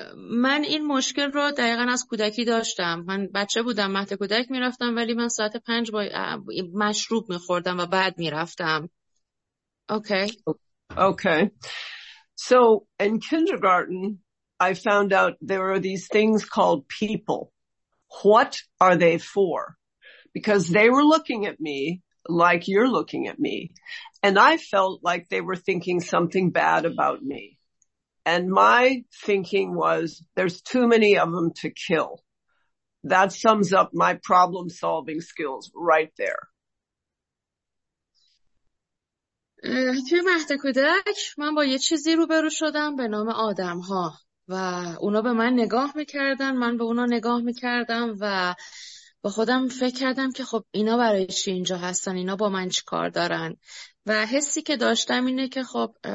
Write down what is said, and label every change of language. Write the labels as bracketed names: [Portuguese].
[Persian] من این مشکل رو دقیقا از کودکی داشتم. من بچه بودم، مهد کودک میرفتم، ولی من ساعت 5 با مشروب میخوردم و بعد میرفتم. اوکی. اوکی. [English] So in kindergarten, I found out there are these things called people. What are they for? Because they were looking at me like you're looking at me. And I felt like they were thinking something bad about me. And my thinking was, there's too many of them to kill. That sums up my problem-solving skills right there. [Persian] توی مهد کودک من با یه چیزی روبرو شدم به نام آدم ها و اونا به من نگاه میکردن، من به اونا نگاه میکردم و با خودم فکر کردم که خب اینا برای چی اینجا هستن، اینا با من چی کار دارن و حسی که داشتم اینه که خب